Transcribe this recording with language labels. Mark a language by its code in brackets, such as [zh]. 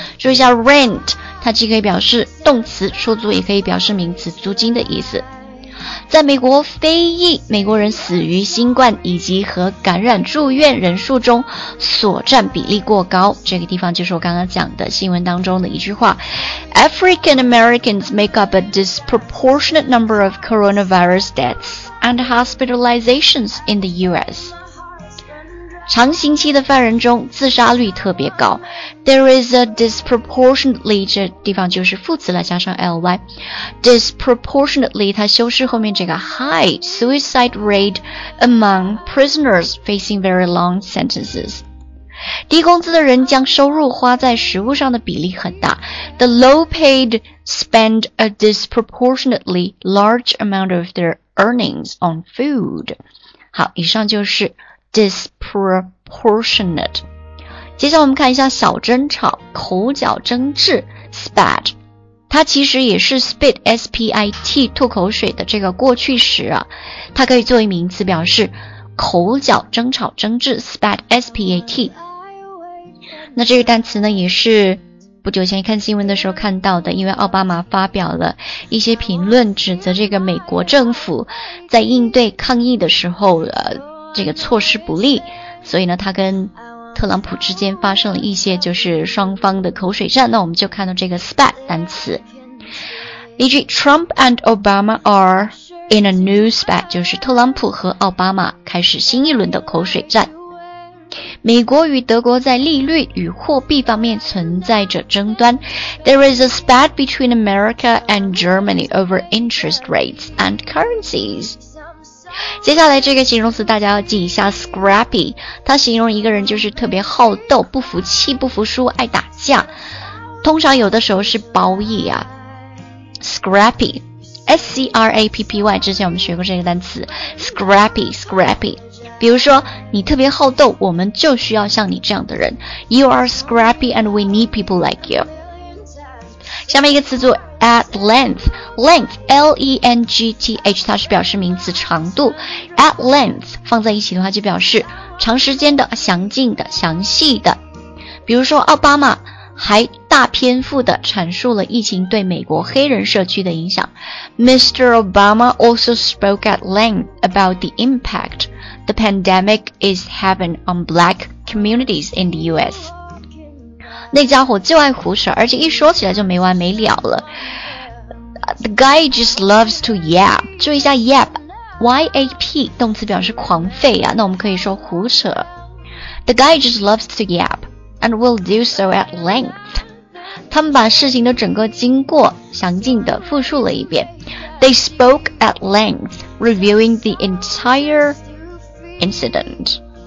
[zh] 注意一下 rent， 它既可以表示动词出租，也可以表示名词租金的意思。在美国非裔美国人死于新冠以及和感染住院人数中所占比例过高，这个地方就是我刚刚讲的新闻当中的一句话。 [en] African Americans make up a disproportionate number of coronavirus deaths and hospitalizations in the US. [zh] 长刑期的犯人中自杀率特别高。 [en] There is a disproportionately， [zh] 这地方就是副词来加上 [en] ly， disproportionately [zh] 它修饰后面这个 [en] high suicide rate among prisoners facing very long sentences。 [zh] 低工资的人将收入花在食物上的比例很大。 [en] The low paid spend a disproportionately large amount of their earnings on food。 [zh] 好，以上就是disproportionate。接下来我们看一下小争吵、口角争执 spat， 它其实也是 spit S-P-I-T 吐口水的这个过去时啊，它可以作为名词表示口角争吵争执 spat S-P-A-T。那这个单词呢也是不久前看新闻的时候看到的，因为奥巴马发表了一些评论指责这个美国政府在应对抗疫的时候这个措施不利，所以呢他跟特朗普之间发生了一些就是双方的口水战。那我们就看到这个 spat 单词。例句， [en] Trump and Obama are in a new spat， [zh] 就是特朗普和奥巴马开始新一轮的口水战。美国与德国在利率与货币方面存在着争端。 [en] There is a spat between America and Germany over interest rates and currencies。 [zh] 接下来这个形容词大家要记一下 scrappy， 它形容一个人就是特别好斗、不服气、不服输、爱打架，通常有的时候是褒义啊。 scrappy S-C-R-A-P-P-Y， 之前我们学过这个单词 scrappy， scrappy， 比如说你特别好斗，我们就需要像你这样的人。 [en] You are scrappy and we need people like you。 [zh] 下面一个词组at length， length L-E-N-G-T-H， 它是表示名词长度。 at length 放在一起的话就表示长时间的、详尽的、详细的。比如说奥巴马还大篇幅的阐述了疫情对美国黑人社区的影响。 [en] Mr. Obama also spoke at length about the impact the pandemic is having on black communities in the U.S. [zh] 那家伙就爱胡扯，而且一说起来就没完没了了。 [en] The guy just loves to yap. [zh] 注意一下 [en] yap, y-a-p, [zh] 动词表示狂吠啊，那我们可以说胡扯。 [en] The guy just loves to yap, and will do so at length. [zh] 他们把事情的整个经过详尽地复述了一遍。 [en] They spoke at length, reviewing the entire incident.